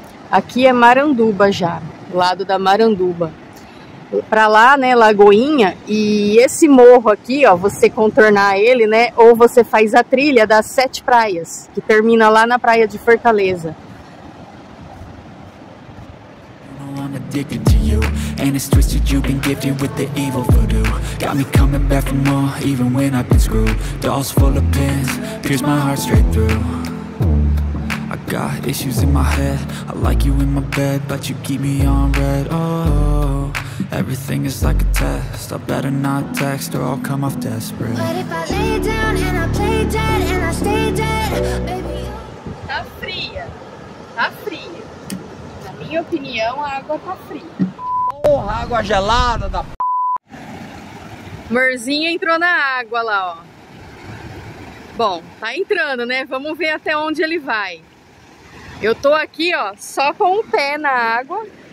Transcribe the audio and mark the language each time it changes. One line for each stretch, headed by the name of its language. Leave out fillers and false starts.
Portuguese: Aqui é Maranduba já. Lado da Maranduba para lá, né, Lagoinha. E esse morro aqui, ó, você contornar ele, né, ou você faz a trilha das sete praias, que termina lá na praia de Fortaleza.
English: I'm addicted to you. And it's twisted, you've been gifted with the evil voodoo. Got me coming back for more, even when I've been screwed. Dolls full of pins, pierce my heart straight through. I got issues in my head. I like you in my bed, but you keep me on red. Oh, everything is like a test. I better not text or I'll come off desperate. But if I lay down and I play dead and I stay dead, baby.
Portuguese: Tá fria. Tá frio. Na minha opinião, a água tá fria. Porra, água gelada da p. Morzinho entrou na água lá, ó. Bom, tá entrando, né? Vamos ver até onde ele vai. Eu tô aqui, ó, só com um pé na água.